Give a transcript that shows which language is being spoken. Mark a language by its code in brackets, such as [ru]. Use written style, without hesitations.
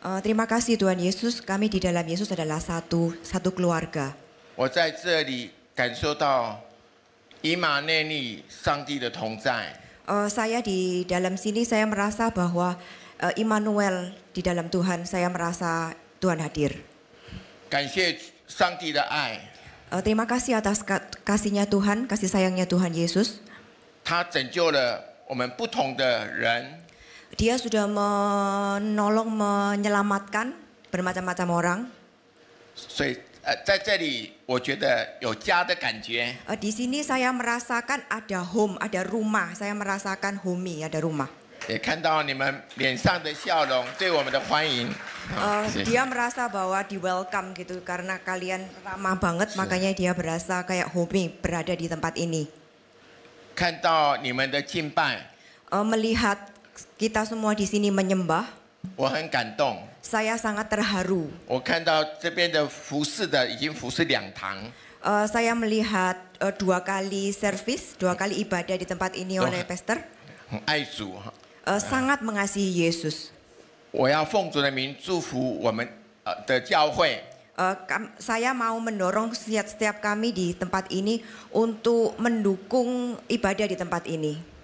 [id] Terima kasih Tuhan Yesus, kami di dalam Yesus adalah satu keluarga. [zh] 我在这里感受到 Imaneni, 上帝的同在. [id] Saya di dalam sini saya merasa bahwa Immanuel di dalam Tuhan, saya merasa Tuhan hadir. [zh] 感谢上帝的爱. [id] Terima kasih atas kasihnya Tuhan, kasih sayangnya Tuhan Yesus. [zh] 他拯救了我们不同的人. [id] Dia sudah menolong menyelamatkan bermacam-macam orang. [zh] 所以, 在这里我觉得有家的感觉. [id] Di sini saya merasakan ada home, ada rumah. Saya merasakan home, ada rumah. [zh] 也看到你们脸上的笑容，对我们的欢迎. [id] Dia merasa bahwa di welcome gitu, karena kalian ramah banget, makanya dia berasa kayak home, berada di tempat ini. [zh] 看到你们的敬拜. [id] Melihat kita semua di sini menyembah. [zh] 我很感动. [id] saya sangat terharu. [zh] 我看到这边的服侍的已经服侍两堂。 [id] Saya melihat dua kali servis, dua kali ibadah di tempat ini oleh pastor. [zh] 很爱主, [id] sangat mengasihi Yesus. [zh] 我要奉主的名祝福我们, the教会. [id] Saya mau mendorong setiap kami di tempat ini untuk mendukung ibadah di tempat ini.